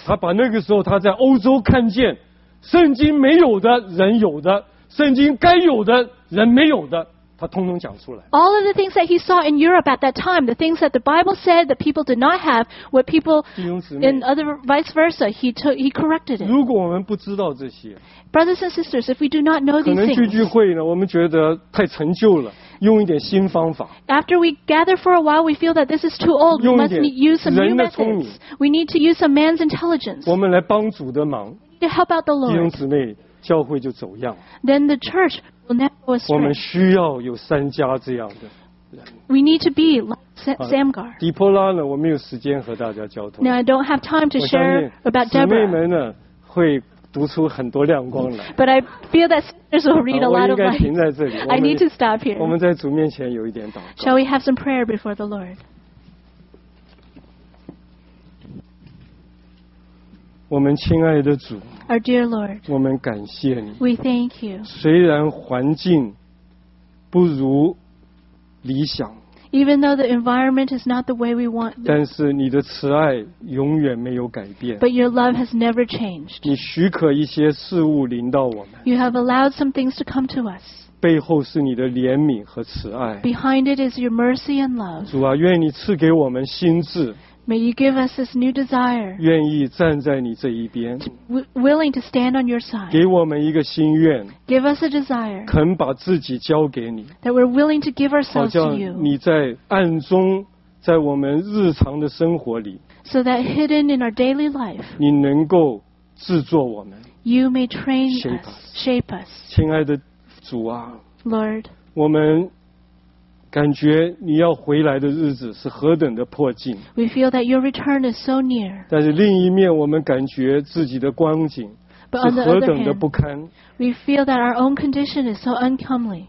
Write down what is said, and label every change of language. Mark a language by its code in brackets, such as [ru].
[zh] 他把那个时候他在欧洲看见，圣经没有的人有的，圣经该有的人没有的。他通通讲出来。 [en] All of the things that he saw in Europe at that time, the things that the Bible said that people did not have, what people and other vice versa, he corrected it. [zh] 如果我们不知道这些 [en] ，Brothers and sisters, if we do not know these things, [zh] 可能聚会呢，我们觉得太陈旧了，用一点新方法。 [en] After we gather for a while, we feel that this is too old. We must use some new methods. We need to use some man's intelligence. [zh] 我们来帮主的忙。 [en] To help out the Lord. [zh] 弟兄姊妹，教会就走样。 [en] Then the church. [zh] 我们需要有三家这样的人。 [en] We need to be like Samgar. [zh] 底波拉呢，我没有时间和大家交通。 [en] Now I don't have time to share about Deborah. [zh] 姊妹们呢，会读出很多亮光来。 [en] But I feel that sisters will read a lot of light. [zh] 我应该停在这里。 [en] I need to stop here. [zh] 我们在主面前有一点祷告。 [en] Shall we have some prayer before the Lord? [zh] 我们亲爱的主。 [en] Our dear Lord, [zh] 我们感谢你。 [en] We thank you. [zh] 虽然环境不如理想 [en] ，Even though the environment is not the way we want, [zh] 但是你的慈爱永远没有改变。 [en] But your love has never changed. [zh] 你许可一些事物临到我们。 [en] You have allowed some things to come to us. [zh] 背后是你的怜悯和慈爱。 [en] Behind it is your mercy and love. [zh] 主啊，愿你赐给我们心智。 [en] May you give us this new desire. [zh] 愿意站在你这一边。 [en] Willing to stand on your side. [zh] 给我们一个心愿。 [en] Give us a desire. [zh] 肯把自己交给你。 [en] That we're willing to give ourselves to you. [zh] 好像你在暗中，在我们日常的生活里。 [en] So that hidden in our daily life. [zh] 你能够制作我们。 [en] You may train us. Shape us. [zh] 亲爱的主啊。 [en] Lord. [zh] 我们。感觉你要回来的日子是何等的迫近。 [en] We feel that your return is so near. [zh] 但是另一面，我们感觉自己的光景 [en] But on the other hand, we feel that our own condition is so uncomely.